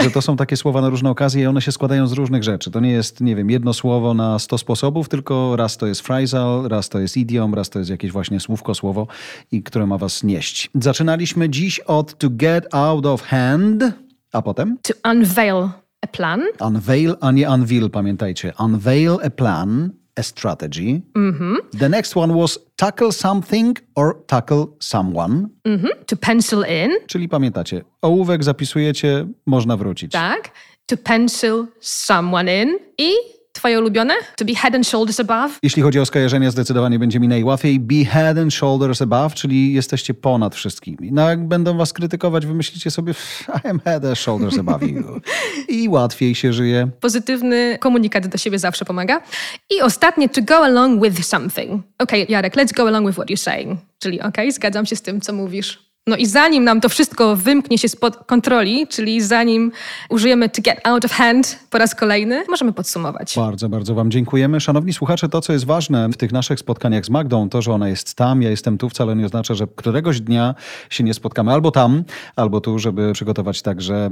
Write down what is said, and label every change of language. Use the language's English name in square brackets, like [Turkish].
[Polish] Że to są takie słowa na różne okazje i one się składają z różnych rzeczy. To nie jest, nie wiem, jedno słowo na 100 sposobów, tylko raz to jest phrasal, raz to jest idiom, raz to jest jakieś właśnie słówko, słowo, i które ma was nieść. Zaczynaliśmy dziś od to get out of hand, a potem? [English] To unveil a plan. [Polish] Unveil, a nie unveil, pamiętajcie. [English] Unveil a plan. A strategy. The next one was tackle something or tackle someone. To pencil in. [Polish] Czyli pamiętacie, ołówek zapisujecie, można wrócić. Tak. To pencil someone in. I Twoje ulubione? [English] To be head and shoulders above? [Polish] Jeśli chodzi o skojarzenie, zdecydowanie będzie mi najłatwiej. Be head and shoulders above, czyli jesteście ponad wszystkimi. No jak będą was krytykować, wymyślicie sobie, [English] I am head and shoulders above you. [Polish] I łatwiej się żyje. Pozytywny komunikat do siebie zawsze pomaga. [English] I ostatnie, to go along with something. Okay, Jarek, let's go along with what you're saying. [Polish] Czyli okay, zgadzam się z tym, co mówisz. No i zanim nam to wszystko wymknie się spod kontroli, czyli zanim użyjemy to get out of hand po raz kolejny, możemy podsumować. Bardzo, bardzo wam dziękujemy. Szanowni słuchacze, to co jest ważne w tych naszych spotkaniach z Magdą, to że ona jest tam, ja jestem tu, wcale nie oznacza, że któregoś dnia się nie spotkamy albo tam, albo tu, żeby przygotować także.